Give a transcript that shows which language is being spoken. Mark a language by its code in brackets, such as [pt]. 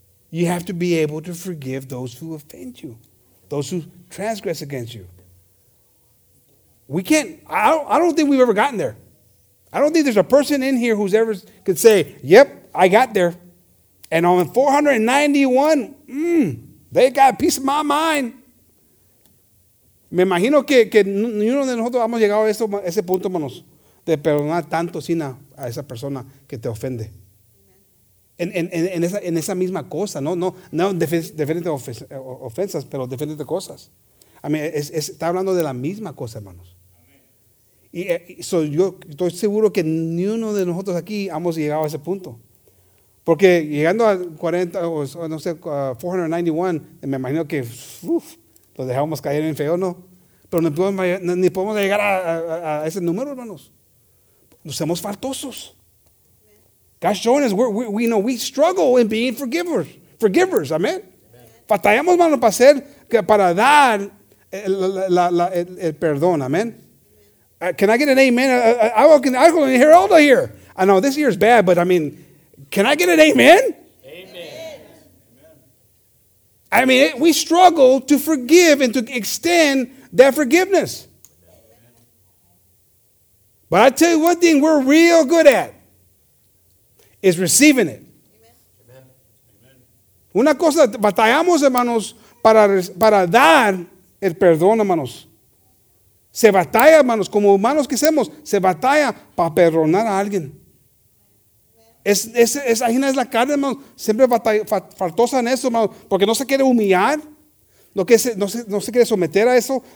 [en] You have to be able to forgive those who offend you, those who transgress against you. We can't, I don't think we've ever gotten there. I don't think there's a person in here who's ever could say, yep, I got there. And on 491, they got a piece of my mind. [es] Me imagino que ninguno de nosotros hemos llegado a ese punto, hermanos, de perdonar tanto sin a esa persona que te ofende. En esa misma cosa, no diferentes ofensas, pero diferentes cosas. [en] I mean, [es] está hablando de la misma cosa, hermanos. Y so yo estoy seguro que ni uno de nosotros aquí hemos llegado a ese punto. Porque llegando a 491, me imagino que lo dejamos caer en feo, ¿no? Pero ni podemos llegar a ese número, hermanos. Nos somos faltosos. [en] God's showing us, we struggle in being forgivers, amen. [es] Batallamos, hermanos, para hacer, para dar el perdón, amen. [en] Can I get an amen? I can hear all the year. I know this year is bad, but I mean, can I get an amen? Amen. I mean, we struggle to forgive and to extend that forgiveness. But I tell you one thing we're real good at is receiving it. Amen. [es] Una cosa, batallamos, hermanos, para dar el perdón, hermanos. Se batalla, hermanos, como humanos que somos, se batalla para perdonar a alguien. Esa gina es la carne, hermanos, siempre faltosa en eso, hermanos, porque no se quiere humillar, no se quiere someter a eso.